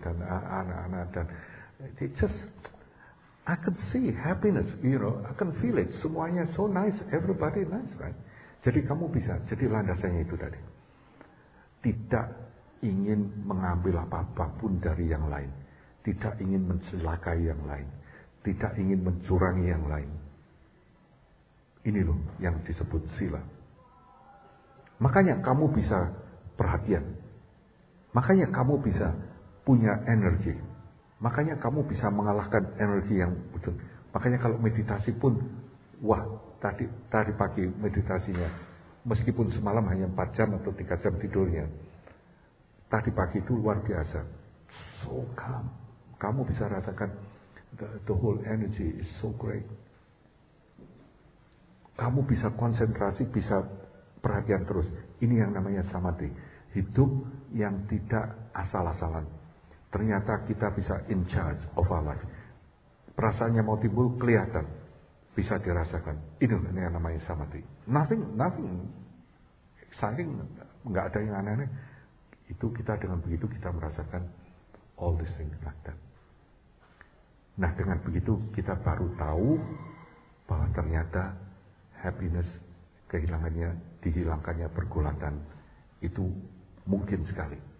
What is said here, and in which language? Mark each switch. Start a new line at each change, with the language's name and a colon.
Indonesian: Dan anak-anak dan
English: they just, I can see happiness, you know, I can feel it.
Indonesian: Semuanya
English: so nice, everybody nice, right?
Indonesian: Jadi kamu bisa, jadi landasannya itu tadi. Tidak ingin mengambil apapun dari yang lain. Tidak ingin mencelakai yang lain. Tidak ingin mencurangi yang lain. Ini loh yang disebut sila. Makanya kamu bisa perhatian. Makanya kamu bisa punya energi. Makanya kamu bisa mengalahkan energi yang betul. Makanya kalau meditasi pun, wah, tadi pagi meditasinya, meskipun semalam hanya 4 jam atau 3 jam tidurnya, tadi pagi itu luar biasa.
English: So calm.
Indonesian: Kamu bisa rasakan
English: the whole energy is so great.
Indonesian: Kamu bisa konsentrasi, bisa perhatian terus. Ini yang namanya samadhi. Hidup yang tidak asal-asalan. Ternyata kita bisa
English: in charge of our life.
Indonesian: Perasaannya mau timbul kelihatan, bisa dirasakan. Ini yang namanya samadhi.
English: Nothing exciting,
Indonesian: enggak ada yang aneh-aneh. Itu kita dengan begitu kita merasakan
English: all these things like that.
Indonesian: Nah, dengan begitu kita baru tahu bahwa ternyata happiness kehilangannya, dihilangkannya pergulatan itu mungkin sekali.